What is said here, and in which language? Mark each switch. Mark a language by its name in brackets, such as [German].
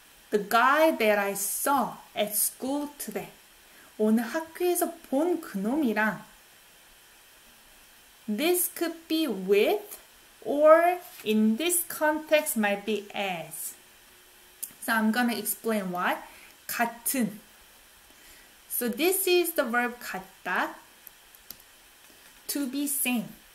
[English] The guy that I saw at school today. [Korean] 오늘 학교에서 본 그놈이랑. [English] This could be with or in this context might be as. So I'm gonna explain why. 같은. So this is the verb 같다. To be same.